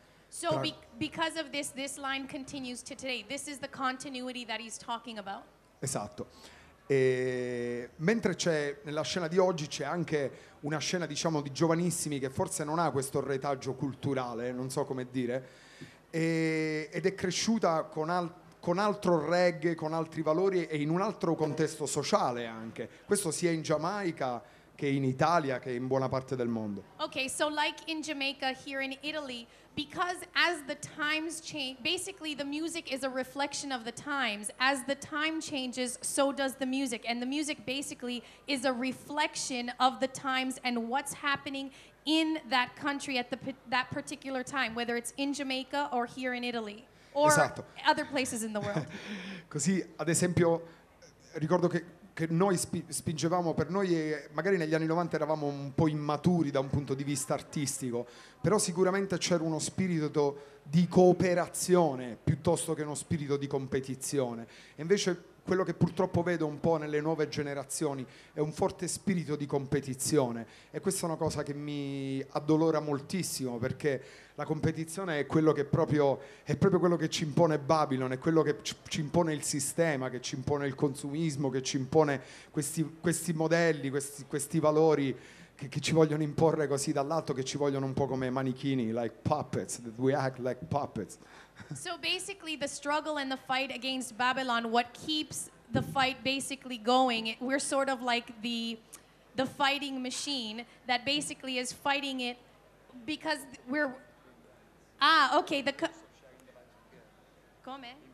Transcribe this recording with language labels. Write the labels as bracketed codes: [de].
[en] So because of this, this line continues to today. This is the continuity that he's talking about. [it] Esatto. E mentre c'è nella scena di oggi c'è anche una scena, diciamo, di giovanissimi che forse non ha questo retaggio culturale, non so come dire, ed è cresciuta con altro reggae, con altri valori e in un altro contesto sociale anche. Questo sia in Giamaica che in Italia, che in buona parte del mondo. [en] Okay, so like in Jamaica, here in Italy, because as the times change, basically the music is a reflection of the times. As the time changes, so does the music. And the music basically is a reflection of the times and what's happening in that country at that particular time, whether it's in Jamaica or here in Italy or [it] esatto. [en] other places in the world. [it] Così, ad esempio, ricordo che noi spingevamo per noi, magari negli anni 90 eravamo un po' immaturi da un punto di vista artistico, però sicuramente c'era uno spirito di cooperazione piuttosto che uno spirito di competizione. E invece quello che purtroppo vedo un po' nelle nuove generazioni è un forte spirito di competizione, e questa è una cosa che mi addolora moltissimo, perché la competizione è proprio quello che ci impone Babylon, è quello che ci impone il sistema, che ci impone il consumismo, che ci impone questi modelli, questi valori che ci vogliono imporre così dall'alto, che ci vogliono un po' come manichini, [en] like puppets, that we act like puppets. So basically the struggle and the fight against Babylon, what keeps the fight basically going, we're sort of like the fighting machine that basically is fighting it, because we're okay, the come?